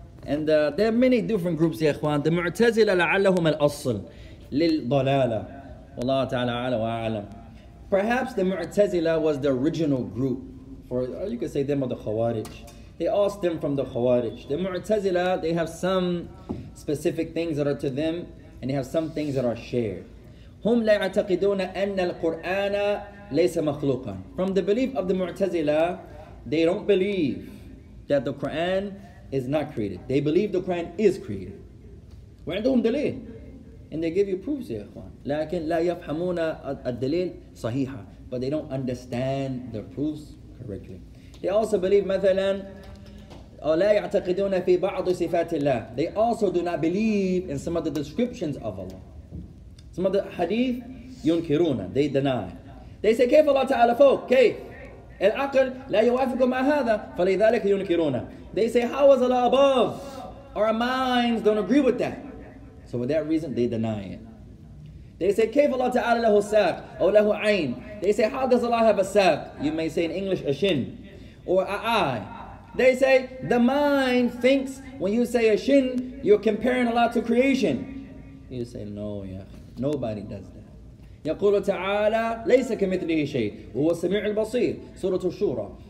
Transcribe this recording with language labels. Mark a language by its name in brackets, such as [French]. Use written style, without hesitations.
[English] And there are many different groups, ya ikhwan. The Mu'tazila [Arabic] la'allahum al-asl lil-dalala. Wallahu ta'ala ala wa alam. [English] Perhaps the Mu'tazila was the original group. For you could say them are the Khawarij. They all stem from the Khawarij. The Mu'tazila, they have some specific things that are to them, and they have some things that are shared. [Arabic] هم لا يعتقدون أن القرآن ليس مخلوقا. [English] From the belief of the Mu'tazila, they don't believe that the Quran is not created. They believe the Quran is created. [Arabic] وعندهم دليل. [English] And they give you proofs, [Arabic] يا إخوان. لكن لا يفهمون الدليل صحيحا. [English] But they don't understand the proofs correctly. They also believe, [Arabic] مثلا, أو لا يعتقدون في بعض صفات الله. [English] They also do not believe in some of the descriptions of Allah. Some of the hadith, [Arabic] ينكرون, [English] they deny. [Arabic] They say, كيف الله تعالى فوق, كيف؟ العقل لا يوافق مع هذا, فلذلك ينكرون. [English] They say, how is Allah above? Our minds don't agree with that. So for that reason, they deny it. They say, [Arabic] كيف الله تعالى له ساق أو له عين? [English] They say, how does Allah have a ساق? You may say in English, a shin, or a eye. They say, the mind thinks when you say a shin, you're comparing Allah to creation. You say, no, yeah, nobody does that. [Arabic] يقول تعالى ليس كمثله شيء وهو السميع البصير سورة الشورى.